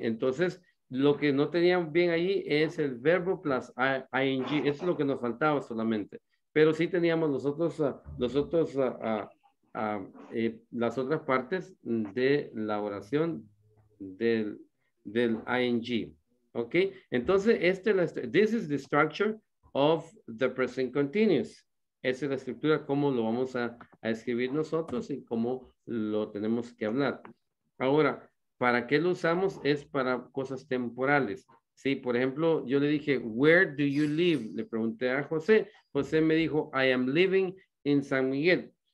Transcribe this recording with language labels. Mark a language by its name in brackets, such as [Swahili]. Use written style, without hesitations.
[Spanish] Entonces, lo que no teníamos bien ahí es el verbo plus ing. Eso es lo que nos faltaba solamente. Pero sí teníamos las otras partes de la oración del ing. [English] Ok, [Spanish] entonces [English] this is the structure of the present continuous. [Spanish] Esa es la estructura como lo vamos a escribir nosotros y cómo lo tenemos que hablar. Ahora, ¿para qué lo usamos? Es para cosas temporales. Sí, por ejemplo, yo le dije, [English] where do you live? [Spanish] Le pregunté a José. José me dijo, [English] I am living in San Miguel.